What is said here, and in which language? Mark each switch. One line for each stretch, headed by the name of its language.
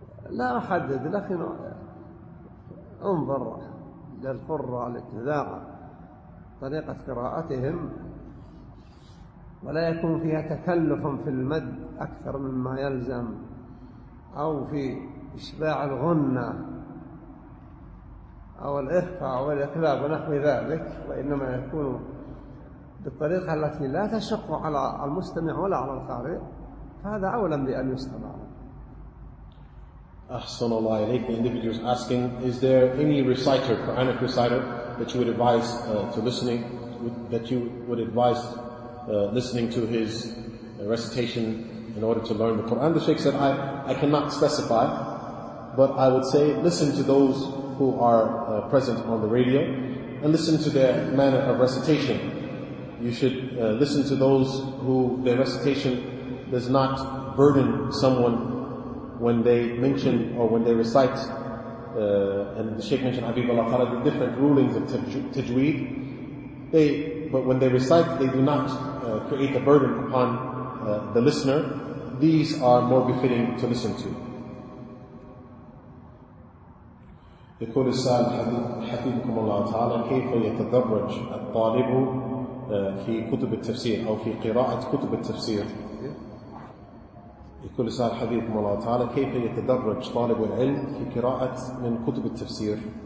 Arabic: لا أحدد، لكن انظر للقراء الاتذاع طريقة قراءتهم ولا يكون فيها تكلف في المد أكثر مما يلزم أو في إشباع الغنة أو الإخفاء أو الإقلاب ونحو ذلك، وإنما يكون بالطريقة التي لا تشق على المستمع ولا على القارئ، فهذا أولى بأن يستمع. أحسن الله إليك.
English: The individual is asking, is there any reciter, Quranic reciter, that you would advise to listening, that you would advise listening to his recitation in order to learn the Quran. The Shaykh said, I cannot specify, but I would say listen to those who are present on the radio and listen to their manner of recitation. You should listen to those who their recitation does not burden someone when they mention or when they recite. And the Shaykh mentioned Habib Allah Ta'ala, the different rulings of tajweed. But when they recite, they do not create a burden upon the listener. These are more befitting to listen to.
Arabic: يقول السائل حفظكم الله تعالى كيف يتدرج الطالب في كتب التفسير أو في قراءة كتب التفسير. يقول السائل حفظكم الله تعالى كيف يتدرج طالب العلم في قراءة من كتب التفسير.